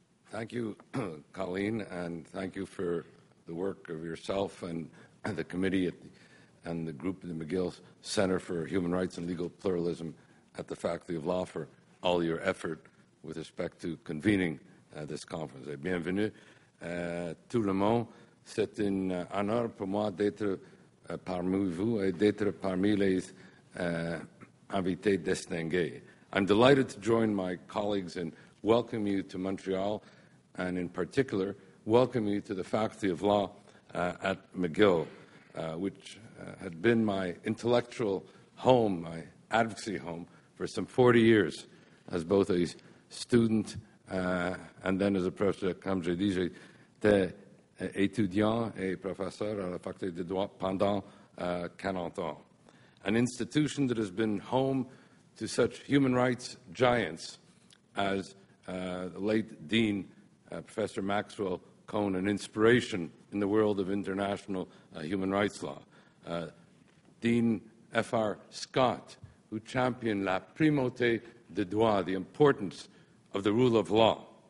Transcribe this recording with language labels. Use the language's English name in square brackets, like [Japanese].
[English] Thank you, Colleen, and thank you for the work of yourself and the committee and the group in the McGill Center for Human Rights and Legal Pluralism at the Faculty of Law for all your effort with respect to convening this conference. [French] Et bienvenue tout le monde. C'est un honneur pour moi d'être parmi vous et d'être parmi les invités distingués. [English] I'm delighted to join my colleagues and welcome you to Montreal, and in particular, welcome you to the Faculty of Law at McGill, which had been my intellectual home, my advocacy home, for some 40 years as both a student and then as a professor. [French] Comme je dis, j'étais étudiant et professeur à la Faculté de droit pendant 40 ans. [English] An institution that has been home to such human rights giants as the late Dean Professor Maxwell Cohn, an inspiration in the world of international human rights law. Dean F.R. Scott, who championed [French] la primauté des droits, [English] the importance of the rule of law.